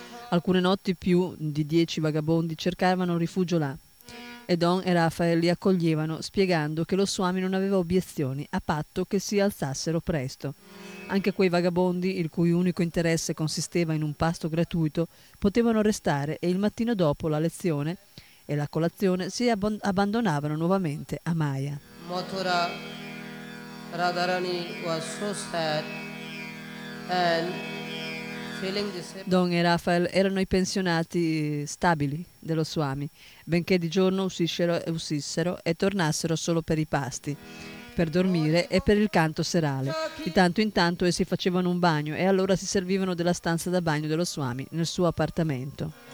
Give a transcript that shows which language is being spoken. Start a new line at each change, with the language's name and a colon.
Italian: Alcune notti più di 10 vagabondi cercavano rifugio là e Don e Rafael li accoglievano spiegando che lo Swami non aveva obiezioni a patto che si alzassero presto. Anche quei vagabondi, il cui unico interesse consisteva in un pasto gratuito, potevano restare e il mattino dopo la lezione e la colazione si abbandonavano nuovamente a Maya.
English: Mathura, Radharani was so sad and...
Italian: Don e Rafael erano i pensionati stabili dello Swami, benché di giorno uscissero e tornassero solo per i pasti, per dormire e per il canto serale. Di tanto in tanto essi facevano un bagno e allora si servivano della stanza da bagno dello Swami nel suo appartamento.